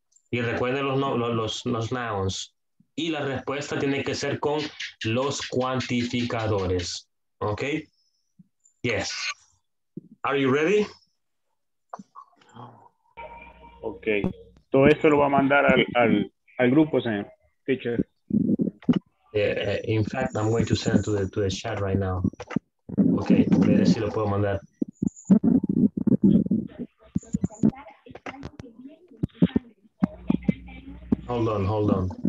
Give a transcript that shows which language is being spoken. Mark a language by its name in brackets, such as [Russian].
[Spanish] Y recuerden los nouns. Y la respuesta tiene que ser con los cuantificadores, ¿ok? [English] Yes. Are you ready? Ok. [Spanish] Todo esto lo va a mandar al grupo, señor. [English] Teacher. In fact, I'm going to send it to the chat right now. [Spanish] Okay, voy a ver si lo puedo mandar. [English] Hold on.